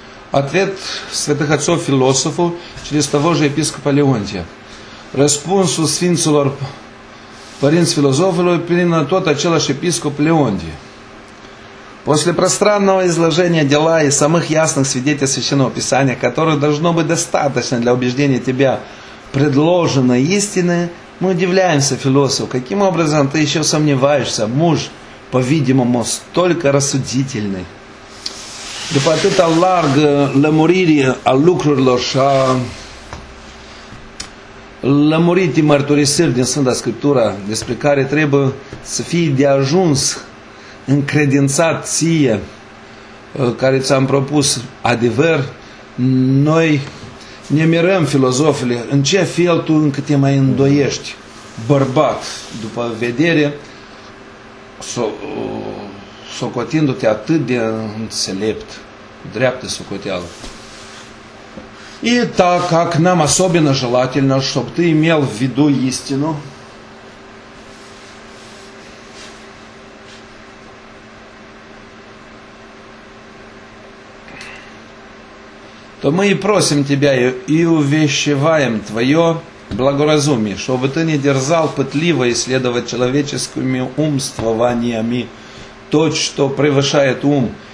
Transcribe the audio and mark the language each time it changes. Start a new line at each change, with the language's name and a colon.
Russian: Ответ святых отцов философу через того же епископа Леонтия.
Romanian: Răspunsul sfinților părinți filozofului prin tot același епископ Леонтия.
Russian: После пространного изложения дела и самых ясных свидетельств Священного Писания, которых должно быть достаточно для убеждения тебя предложенной истины, мы удивляемся, философ, каким образом ты еще сомневаешься, муж, по-видимому, столько рассудительный.
Romanian: După atâta largă lămurire a lucrurilor și a lămuritii mărturisiri din Sfânta Scriptură, despre care trebuie să fie de ajuns încredințat ție, care ți-am propus adevăr, noi ne mirăm, filozofile, în ce fel tu încă te mai îndoiești, bărbat, după vedere, socotindu-te atât de înțelept, dreaptă socoteală.
Russian: И так как нам особенно желательно, чтобы ты имел в виду истину, то мы и просим тебя, и увещеваем твое благоразумие, чтобы ты не дерзал пытливо исследовать человеческими умствованиями то, что превышает ум,